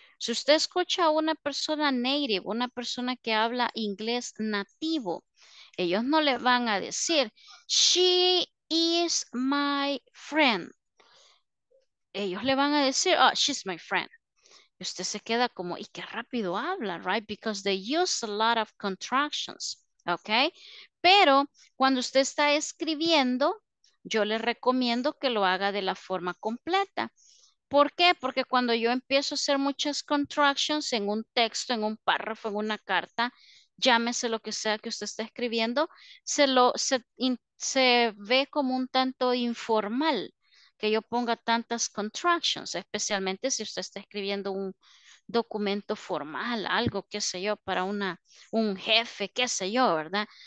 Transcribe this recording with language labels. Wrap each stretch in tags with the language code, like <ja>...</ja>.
<es>Si usted escucha a una persona native, una persona que habla inglés nativo, ellos no le van a decir,</es> <en>she is my friend.</en> <es>Ellos le van a decir,</es> <en>oh, she's my friend.</en> <es>Y usted se queda como, y qué rápido habla, right?</es> <en>Because they use a lot of contractions, okay?</en> <es>Pero cuando usted está escribiendo, yo le recomiendo que lo haga de la forma completa. ¿Por qué? Porque cuando yo empiezo a hacer muchas contractions en un texto, en un párrafo, en una carta, llámese lo que sea que usted esté escribiendo, se ve como un tanto informal que yo ponga tantas contractions, especialmente si usted está escribiendo un documento formal, algo, qué sé yo, para un jefe, qué sé yo, ¿verdad?</es>